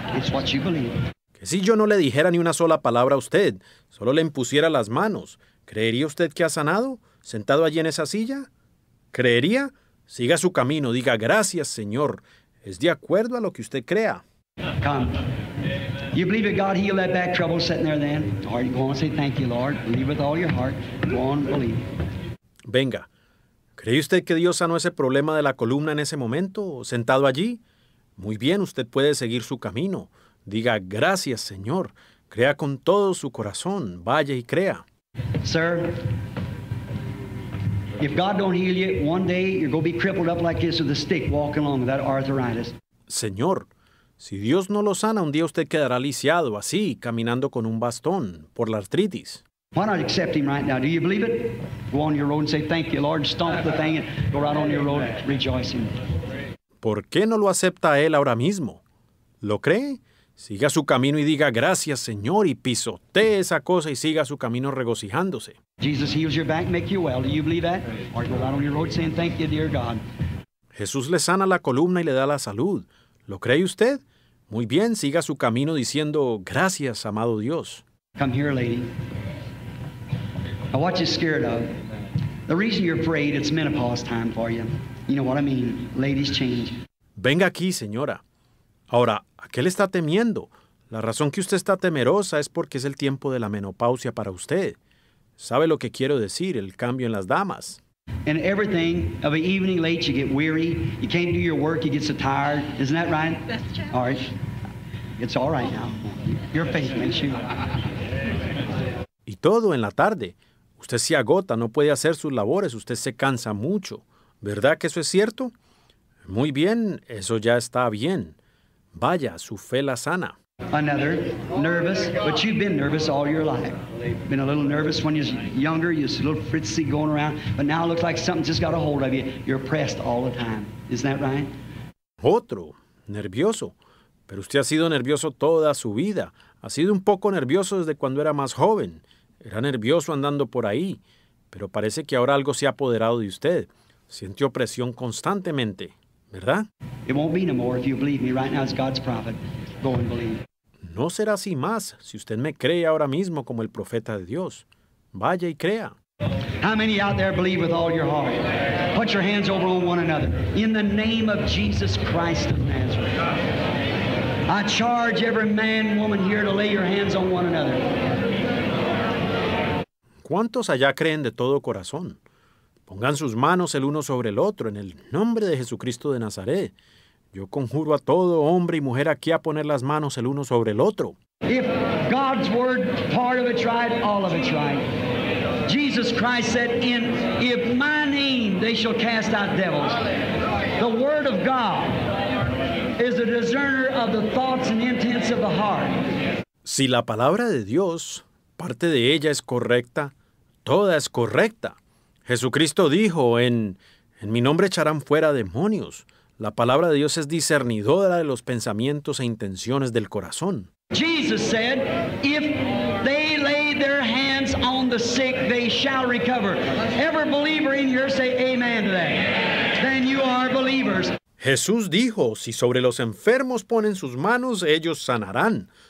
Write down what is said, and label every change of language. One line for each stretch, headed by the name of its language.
English: It's what you believe.
Spanish: Que si yo no le dijera ni una sola palabra a usted, solo le impusiera las manos, ¿creería usted que ha sanado, sentado allí en esa silla? ¿Creería? Siga su camino, diga, gracias, Señor. Es de acuerdo a lo que usted crea.
English: Come. You believe that God healed that back trouble sitting there then? All right, go on and say thank you, Lord. Believe with all your heart. Go on, believe.
Spanish: Venga. ¿Cree usted que Dios sanó ese problema de la columna en ese momento, sentado allí? Muy bien, usted puede seguir su camino. Diga, gracias, Señor. Crea con todo su corazón. Vaya y crea.
English: Sir, if God don't heal you, one day you're going to be crippled up like this with a stick walking along with that arthritis.
Spanish: Señor, si Dios no lo sana, un día usted quedará lisiado, así, caminando con un bastón, por la artritis.
English: Why not accept him right now? Do you believe it? Go on your road and say, thank you, Lord. Stomp the thing and go right on your road rejoicing.
Spanish: ¿Por qué no lo acepta él ahora mismo? ¿Lo cree? Siga su camino y diga, gracias, Señor, y pisotee esa cosa y siga su camino regocijándose.
English: Jesus heals your back, make you well. Do you believe that? Or go out on your road saying, thank you, dear God.
Spanish: Jesús le sana la columna y le da la salud. ¿Lo cree usted? Muy bien, siga su camino diciendo, gracias, amado Dios.
English: Come here, lady. Now, what you're scared of? The reason you're afraid, it's menopause time for you. You know what I mean? Ladies change.
Spanish: Venga aquí, señora. Ahora, ¿a qué le está temiendo? La razón que usted está temerosa es porque es el tiempo de la menopausia para usted. ¿Sabe lo que quiero decir? El cambio en las damas.
English: And everything, of an evening late, you get weary. You can't do your work, you get so tired. Isn't that right? That's true. All right. It's all right now. Your faith makes you.
Spanish: Y todo en la tarde. Usted se agota, no puede hacer sus labores, usted se cansa mucho. ¿Verdad que eso es cierto? Muy bien, eso ya está bien. Vaya, su fe la sana.
English: Another, nervous, but you've been nervous all your life. Been a little nervous when you was younger, you was a little fritzy going around, but now it looks like something just got a hold of you. You're pressed all the time. Isn't that right?
Spanish: Otro, nervioso. Pero usted ha sido nervioso toda su vida. Ha sido un poco nervioso desde cuando era más joven. Era nervioso andando por ahí. Pero parece que ahora algo se ha apoderado de usted. Siente opresión constantemente. ¿Verdad?
English: It won't be no more if you believe me right now as God's prophet. go and believe.
Spanish: No será así más si usted me cree ahora mismo como el profeta de Dios. Vaya y crea.
English: How many out there believe with all your heart? Put your hands over on one another. In the name of Jesus Christ of Nazareth. I charge every man and woman here to lay your hands on one another.
Spanish: ¿Cuántos allá creen de todo corazón? Pongan sus manos el uno sobre el otro en el nombre de Jesucristo de Nazaret. Yo conjuro a todo hombre y mujer aquí a poner las manos el uno sobre el otro.
English: If God's word, part of it's right, all of it's right. Jesus Christ said, in if my name they shall cast out devils. The word of God is the discerner of the thoughts and intents of the heart.
Spanish: Si la palabra de Dios, parte de ella es correcta, toda es correcta. Jesucristo dijo, en mi nombre echarán fuera demonios. La palabra de Dios es discernidora de los pensamientos e intenciones del corazón.
English: Jesus said, if they lay their hands on the sick, they shall recover. Every believer in here say amen to that. Then you are believers.
Spanish: Jesús dijo, si sobre los enfermos ponen sus manos, ellos sanarán.